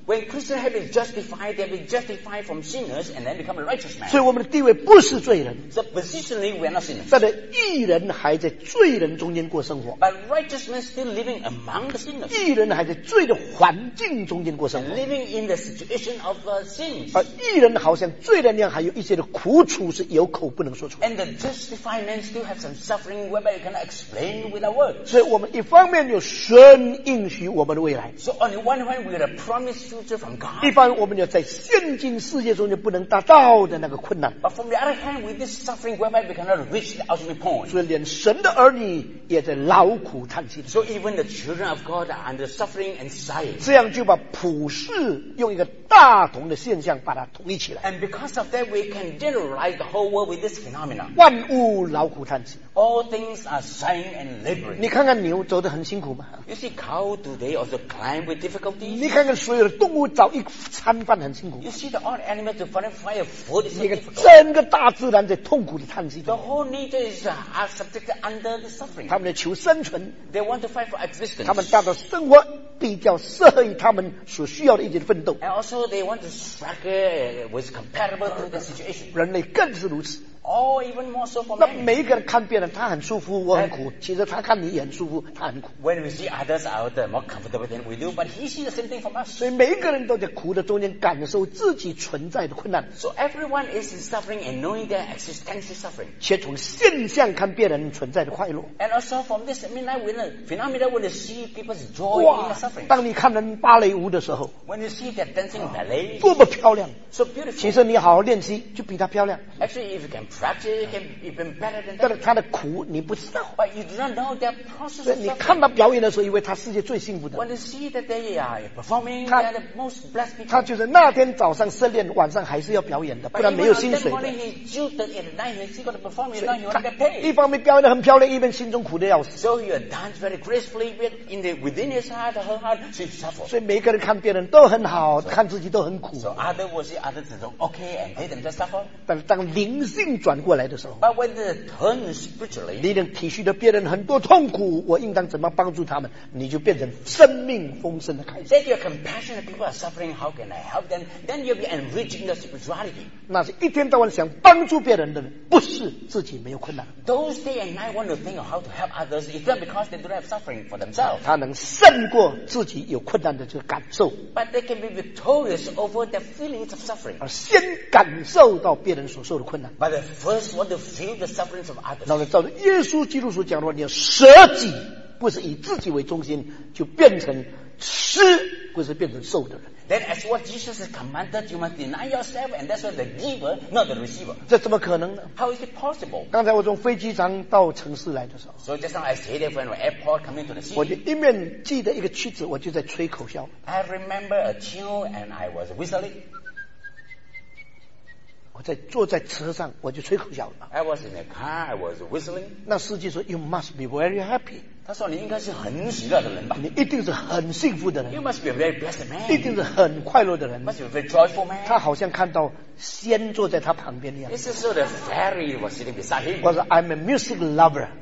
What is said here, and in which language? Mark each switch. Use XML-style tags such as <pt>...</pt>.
<en>When Christians have been justified, they have been justified from sinners and then become a righteous man.</en> <zh>所以我们的地位不是罪人。</zh> <en>So positionally, we are not sinners.</en> <zh>但是义人还在罪人中间过生活。</zh> <en>But righteous men still living among the sinners.</en> <zh>义人还在罪的环境中间过生活。</zh> <en>And living in the situation of sins.</en> <zh>而义人好像罪人那样，还有一些的苦楚是有口不能说出。</zh> <en>And the justified men still have some suffering whereby you cannot explain with a word.</en> <zh>所以我们一方面有神应许我们的未来。</zh> <en>So on the one hand, we have a promised future from God.</en> <zh>一般我们要在现今世界中间不能达到的那个困难。</zh> <en>But from the other hand, with this suffering, whereby we cannot reach the ultimate point.</en> <zh>所以连神的儿女也在劳苦叹息。</zh> <en>So even the children of God are under suffering and sighing.</en> <zh>这样就把普世用一个大同的现象把它统一起来。</zh> <en>And because of that, we can generalize the whole world with this phenomenon.</en> <zh>万物劳苦叹息。</zh> <en>All things are sighing and laboring.</en> <zh>你看看牛走得很辛苦吗</zh> <en>？You see cow do they also climb? With difficulty.</en> <zh>你看看所有的动物找一餐饭很辛苦。</zh> <en>You see the all animals to find a food is difficult.</en> <zh>你看整个大自然在痛苦的叹息。</zh> <en>The whole nature is subjected under the suffering.</en> <zh>他们在求生存。</zh> <en>They want to fight for existence.</en> <zh>他们达到生活比较适合于他们所需要的一些奋斗。</zh> <en>And also they want to struggle with comparable to the situation.</en> <zh>人类更是如此。</zh> <en>Oh, even more so for me.</en> <zh>那每一个人看别人，他很舒服，我很苦。其实他看你也很舒服，他很苦。</zh> <en>When we see others are the more comfortable than we do, but he sees the same thing from us.</en> <zh>所以每一个人都在苦的中间感受自己存在的困难。</zh> <en>So everyone is in suffering and knowing their existential suffering.</en> <zh>且从现象看别人存在的快乐。</zh> <en>And also from this phenomenon, when you see people's joy in the suffering.</en> <zh>当你看人芭蕾舞的时候</zh> <en>，When you see their dancing ballet,</en> <zh>多么漂亮</zh> <en>！So beautiful.</en> <zh>其实你好好练习，就比她漂亮。</zh> <en>Actually, if you can. Practice can even better than that. But you do not know their process. So you</en> <zh>看到表演的时候，以为他世界最幸福的。</zh> <en>When you see that they are performing, they are the most blessed people.</en> <zh>他就是那天早上失恋，晚上还是要表演的，不然没有薪水。</zh> <en>But even on that morning, he jilted at night, he's going to perform, and now he won't get paid.</en> <zh>一方面表演得很漂亮，一边心中苦得要死。</zh> <en>So you dance very gracefully, but in the within his heart, her heart, she suffers.</en> <zh>所以每个人看别人都很好，看自己都很苦。</zh> <en>So others will see others, okay, and they themselves suffer.</en> <zh>但是当灵性转过来的时候</zh> <en>But when they turn spiritually</en> <zh>你能体恤的别人很多痛苦我应当怎么帮助他们你就变成生命丰盛的开始</zh> <en>That you're compassionate people are suffering How can I help them? Then you'll be enriching the spirituality</en> <zh>那是一天到晚想帮助别人的人不是自己没有困难</zh> <en>Those day and night want to think of how to help others It's not because they don't have suffering for themselves</en> <zh>他能胜过自己有困难的这个感受</zh> <en>But they can be victorious over their feelings of suffering</en> <zh>而先感受到别人所受的困难</zh> <en>But they first want to feel the sufferings of others</en> <zh>那么照着耶稣基督所讲的话你要舍己不是以自己为中心就变成吃不是变成受的人</zh> <en>Then as what Jesus has commanded you must deny yourself and that's why the giver not the receiver</en> <zh>这怎么可能呢</zh> <en>How is it possible?</en> <zh>刚才我从飞机场到城市来的时候</zh> <en>So just now I stayed there from the airport coming to the city</en> <zh>我就一面记得一个曲子我就在吹口哨</zh> <en>I remember a tune and I was whistling</en> <zh>我在坐在车上我就吹口哨了</zh> <en>I was in a car I was whistling</en> <zh>那司机说</zh> <en>You must be very happy</en> <zh>他说你应该是很喜乐的人吧你一定是很幸福的人</zh> <en>You must be a very blessed man</en> <zh>一定是很快乐的人</zh> <en>Must be a very joyful man</en> <zh>他好像看到仙坐在他旁边一样</zh> <en>It's as though the fairy was sitting beside him</en> <zh>我说</zh> <en>I'm a music lover</en>